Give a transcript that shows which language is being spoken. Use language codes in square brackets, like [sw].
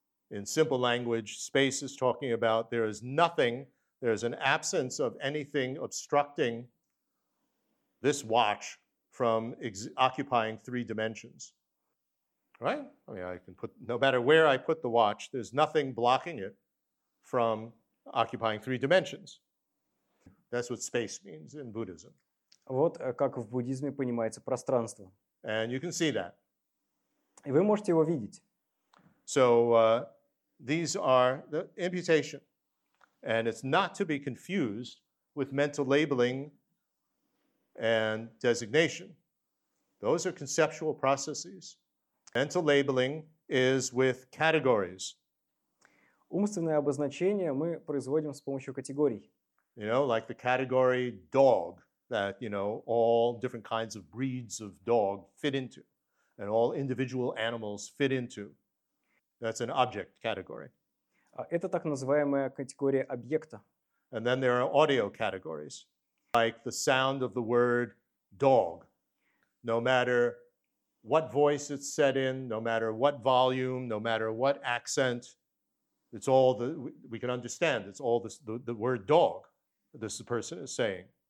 [en] In simple language, space is talking about there is nothing, there is an absence of anything obstructing this watch from occupying three dimensions. Right? I mean, I can put, no matter where I put the watch, there's nothing blocking it from occupying three dimensions. That's what space means in Buddhism. [ru] Вот как в буддизме понимается пространство. [en] And you can see that. [ru] И вы можете его видеть. [en] So these are the imputation. And it's not to be confused with mental labeling and designation. Those are conceptual processes. Mental labeling is with categories. [ru] Умственное обозначение мы производим с помощью категорий. [en] You know, like the category dog that, you know, all different kinds of breeds of dog fit into. And all individual animals fit into. That's an object category. [ru] Это так называемая категория объекта. [en] And then there are audio categories, like the sound of the word dog. No matter what voice it's said in, no matter what volume, no matter what accent, it's all the, we can understand, it's all the word dog this person is saying.